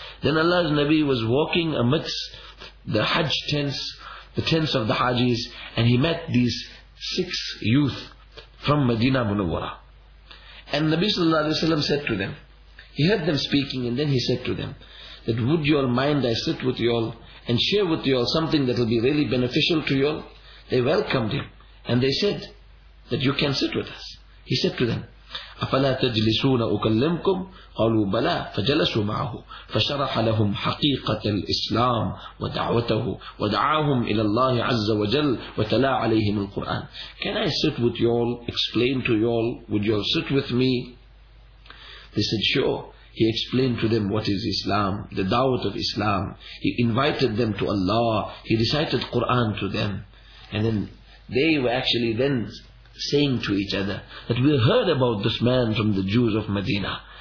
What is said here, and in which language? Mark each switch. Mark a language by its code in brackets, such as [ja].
[en] Then Allah's Nabi was walking amidst the Hajj tents, the tents of the Hajis, and he met these six youth from Madinah Munawwara. And Nabi sallallahu alayhi wa sallam said to them, he heard them speaking, and then he said to them, that would you all mind I sit with you all and share with you all something that will be really beneficial to you all? They welcomed him, And they said that you can sit with us. He said to them, [ar] أَفَلَا تَجْلِسُونَ أُكَلِّمْكُمْ قَالُوا بَلَا فَجَلَسُوا مَعَهُ فَشَرَحَ لَهُمْ حَقِيقَةَ الْإِسْلَامِ وَدَعْوَتَهُ وَدَعَاهُمْ إِلَى اللَّهِ عَزَّ وَجَلَّ وَتَلَا عَلَيْهِمُ الْقُرْآنِ. [en] Can I sit with you all? Explain to you all? Would you all sit with me? They said, sure. He explained to them what is Islam, the da'wah of Islam. He invited them to Allah. He recited Quran to them. And then they were actually then saying to each other that we heard about this man from the Jews of Medina.